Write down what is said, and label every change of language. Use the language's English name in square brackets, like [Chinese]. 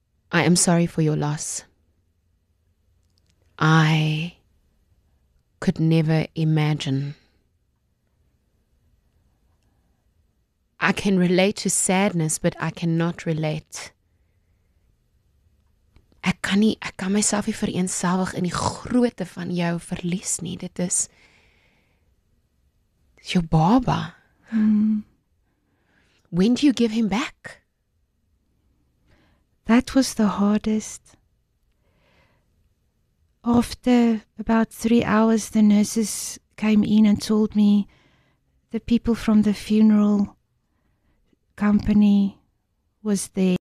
[English] I am sorry for your loss. I could never imagine. I can relate to sadness, but I cannot relate. [Afrikaans] Ek kan myself nie vereensgewig in die grootte van jou verlies nie. Dit is jou baba. [English] When do you give him back? That was the hardest. After about 3 hours, the nurses came in and told me the people from the funeral company was there.